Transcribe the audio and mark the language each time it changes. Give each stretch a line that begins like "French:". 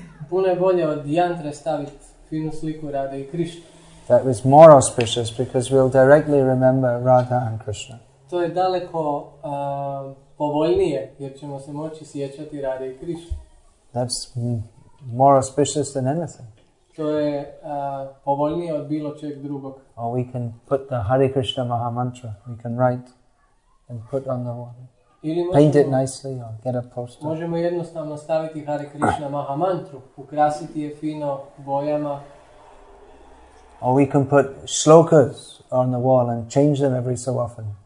Croatian: Puno je bolje od yantre staviti finu sliku Radha i Krishna.
English: That is more auspicious because we'll directly remember Radha and Krishna.
Croatian: To je daleko povoljnije jer ćemo se moći sjećati Radhe i Krishna.
English: That's more auspicious than anything.
Croatian: To je povoljnije od bilo čeg drugog.
English: Or we can put the Hare Krishna Maha Mantra. We can write and put on the wall. Paint it nicely or get a poster.
Croatian: Možemo jednostavno staviti Hare Krishna Maha Mantru, ukrasiti je fino bojama.
English: Or we can put shlokas on the wall and change them every so often.